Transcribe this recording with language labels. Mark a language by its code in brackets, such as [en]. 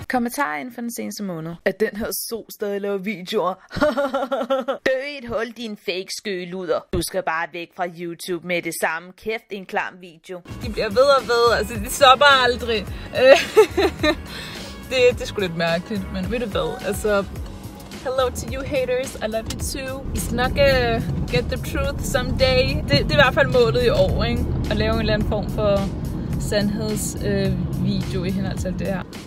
[da] Kommentarer inden for den seneste måned. At den her so stadig laver videoer. Dø i et hul, din fake skøluder. Du skal bare væk fra YouTube med det samme. Kæft, en klam video. De bliver ved og ved, altså de stopper aldrig. Det er sgu lidt mærkeligt, men ved du hvad, altså... [en] Hello to you haters, I love you too. [da] I skal nok [en] get the truth someday. [da] Det er i hvert fald målet i år, ikke? At lave en eller anden form for sandhedsvideo i henhold til det her.